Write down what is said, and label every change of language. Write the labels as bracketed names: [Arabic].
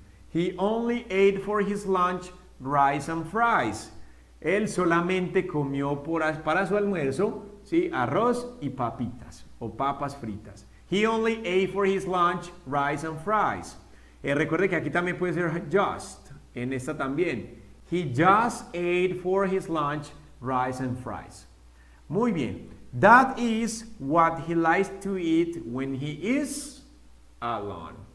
[English] He only ate for his lunch rice and fries. [Spanish] Él solamente comió para su almuerzo, ¿sí? Arroz y papitas o papas fritas. [English] He only ate for his lunch rice and fries. [Spanish] Recuerde que aquí también puede ser just, en esta también. [English] He just ate for his lunch rice and fries. [Spanish] Muy bien. [English] That is what he likes to eat when he is alone.